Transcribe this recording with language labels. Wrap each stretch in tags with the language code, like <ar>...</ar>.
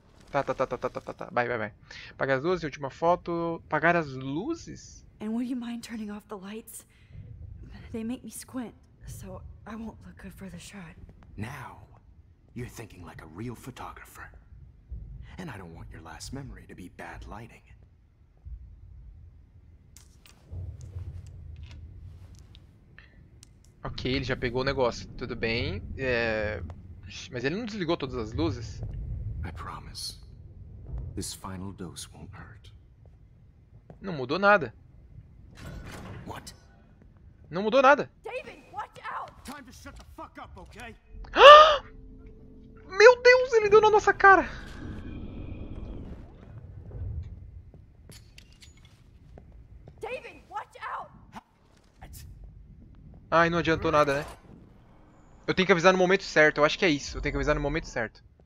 <pt>Tá. Vai. Apagar as luzes, última foto. Apagar as luzes?</pt> <en>And would you mind turning off the lights? They make me squint, so I won't look good for the shot. Now, you're thinking like a real photographer. And I don't want your last memory to be bad lighting.</en> <pt>Ok, ele já pegou o negócio. Tudo bem. Mas ele não desligou todas as luzes.</pt> <en>I promise. This final dose won't hurt.</en> <pt>Não mudou nada.</pt> <en>What?</en> <pt>Não mudou nada.</pt> <en>David, watch out! Time to shut the fuck up, okay?</en> <pt>Meu Deus, ele deu na nossa cara.</pt> <en>David, watch out!</en> <pt>Ai, não adiantou nada, né? Eu tenho que avisar no momento certo, eu acho que é isso. Eu tenho que avisar no momento certo.</pt>